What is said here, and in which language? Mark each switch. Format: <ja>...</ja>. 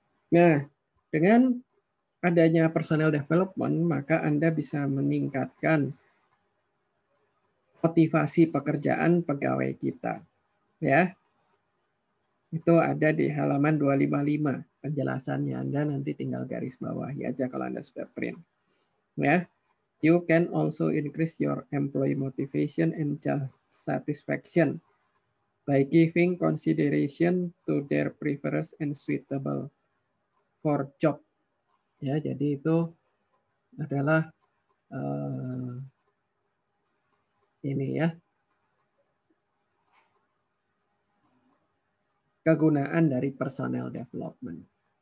<id>Nah, dengan adanya personal development, maka Anda bisa meningkatkan motivasi pekerjaan pegawai kita. Ya. Itu ada di halaman 255 penjelasannya. Anda nanti tinggal garis bawah ya aja kalau Anda sudah print. Ya.</id> <en>You can also increase your employee motivation and job satisfaction by giving consideration to their preference and suitable for job.</en> <id>Ya, jadi itu adalah ini ya. Kegunaan dari personal development.</id>